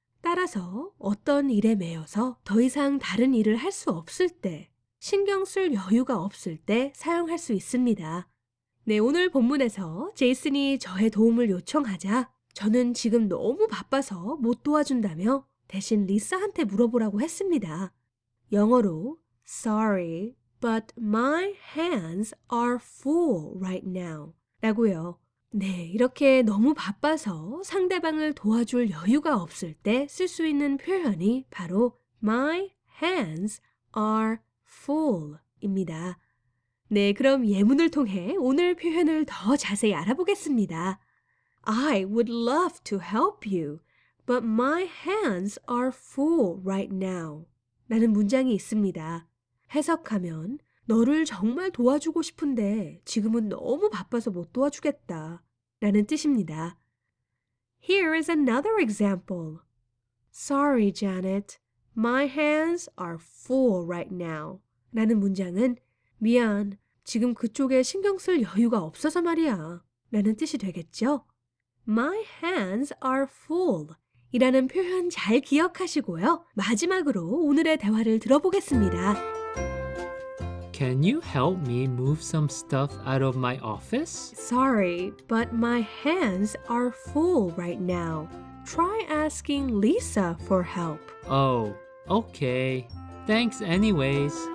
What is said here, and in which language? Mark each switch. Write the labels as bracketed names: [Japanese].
[Korean] 따라서 어떤 일에 매여서 더 이상 다른 일을 할 수 없을 때, 신경 쓸 여유가 없을 때 사용할 수 있습니다. 네, 오늘 본문에서 제이슨이 저의 도움을 요청하자 저는 지금 너무 바빠서 못 도와준다며 대신 리사한테 물어보라고 했습니다. [English] 영어로 Sorry, but my hands are full right now. [Korean] 라고요. 네, 이렇게 너무 바빠서 상대방을 도와줄 여유가 없을 때 쓸 수 있는 표현이 바로 [English] My hands are full [Korean] 입니다. 네, 그럼 예문을 통해 오늘 표현을 더 자세히 알아보겠습니다. [English] I would love to help you, but my hands are full right now. [Korean] 라는 문장이 있습니다. 해석하면 너를 정말 도와주고 싶은데 지금은 너무 바빠서 못 도와주겠다 라는 뜻입니다. [English] Here is another example. Sorry, Janet. My hands are full right now. [Korean] 라는 문장은 미안, 지금 그쪽에 신경 쓸 여유가 없어서 말이야 라는 뜻이 되겠죠? [English] My hands are full [Korean] 이라는 표현 잘 기억하시고요. 마지막으로 오늘의 대화를 들어보겠습니다. [English] Can you help me move some stuff out of my office? Sorry, but my hands are full right now. Try asking Lisa for help. Oh, okay. Thanks anyways.